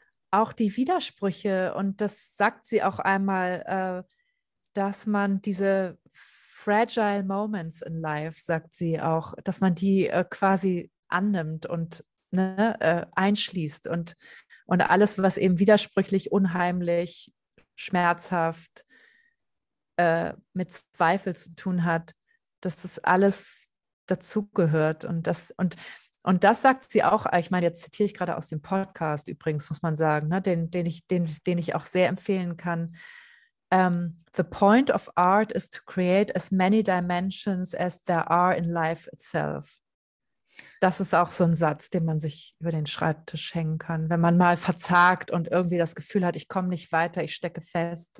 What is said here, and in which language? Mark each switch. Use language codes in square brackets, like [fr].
[de] auch die Widersprüche, und das sagt sie auch einmal, dass man diese [en] fragile moments in life, [de] sagt sie auch, dass man die quasi annimmt und ne, einschließt und alles, was eben widersprüchlich, unheimlich, schmerzhaft, mit Zweifel zu tun hat, dass das alles dazugehört. Und das sagt sie auch, ich meine, jetzt zitiere ich gerade aus dem Podcast übrigens, muss man sagen, ne, den ich auch sehr empfehlen kann. [en] The point of art is to create as many dimensions as there are in life itself. [de] Das ist auch so ein Satz, den man sich über den Schreibtisch hängen kann, wenn man mal verzagt und irgendwie das Gefühl hat, ich komme nicht weiter, ich stecke fest.